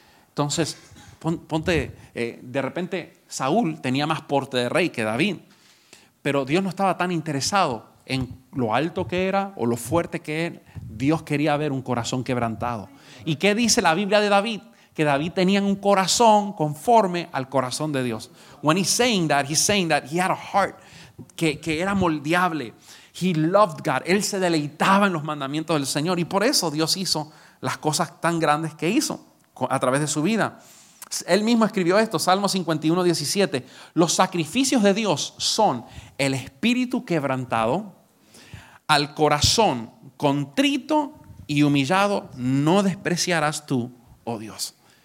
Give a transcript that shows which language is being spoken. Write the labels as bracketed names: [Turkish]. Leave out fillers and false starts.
[Spanish] Entonces, de repente Saúl tenía más porte de rey que David, pero Dios no estaba tan interesado en lo alto que era o lo fuerte que era. Dios quería ver un corazón quebrantado. ¿Y qué dice la Biblia de David? Que David tenía un corazón conforme al corazón de Dios. [English] When he's saying that he had a heart [Spanish] que era moldeable. [English] He loved God. [Spanish] Él se deleitaba en los mandamientos del Señor. Y por eso Dios hizo las cosas tan grandes que hizo a través de su vida. Él mismo escribió esto, Salmo 51, 17. Los sacrificios de Dios son el espíritu quebrantado, al corazón contrito y humillado no despreciarás tú, oh Dios.